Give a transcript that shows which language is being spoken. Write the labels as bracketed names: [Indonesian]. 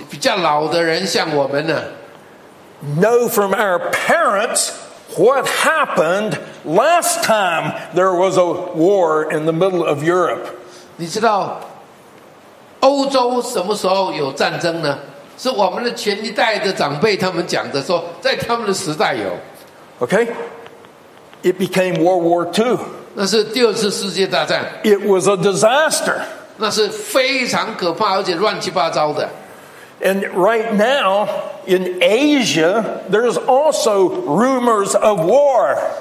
[Chinese] 那一个比较老的人像我们呢， [English] know from our parents what happened last time there was a war in the middle of Europe. [Chinese] 你知道欧洲什么时候有战争呢？是我们的前一代的长辈他们讲的，说在他们的时代有。 [English] Okay, it became World War II. [Chinese] 那是第二次世界大战。 [English] It was a disaster. [Chinese] 那是非常可怕而且乱七八糟的。 [English] And right now in Asia, there's also rumors of war.